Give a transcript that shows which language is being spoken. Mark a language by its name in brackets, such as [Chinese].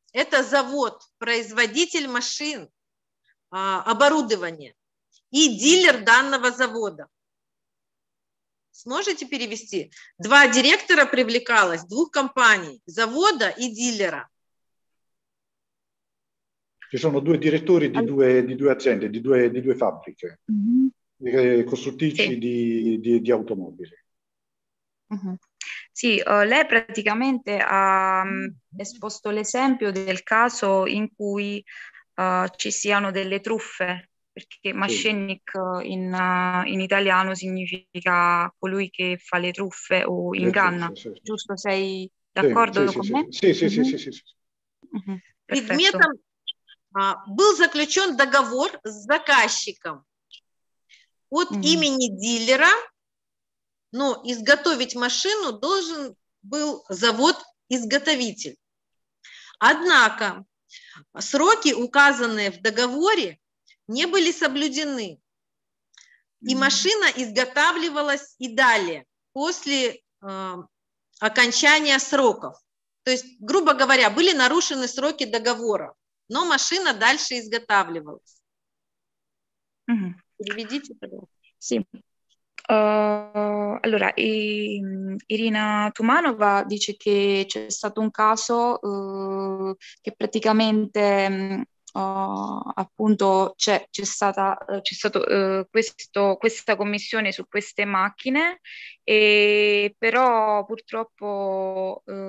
[Russian] Это завод, производитель машин, оборудование и дилер данного завода. Сможете перевести? Два директора привлекалось, двух компаний, завода и дилера. [Italian] Ci sono due direttori di due aziende, di due fabbriche, costruttrici di automobili. Sì, lei praticamente ha esposto l'esempio del caso in cui ci siano delle truffe, perché Maschennik in italiano significa colui che fa le truffe o inganna. Truffe, sì. Giusto, sei d'accordo con me? Sì. [Russian] Предметом Был заключен договор с заказчиком от имени дилера, но изготовить машину должен был завод-изготовитель. Однако сроки, указанные в договоре, не были соблюдены, и машина изготавливалась и далее, после окончания сроков. То есть, грубо говоря, были нарушены сроки договора, но машина дальше изготавливалась. Переведите, пожалуйста. [Italian] Sì. Allora, Irina Tumanova dice che c'è stato un caso che praticamente appunto c'è stata questa commissione su queste macchine, e però purtroppo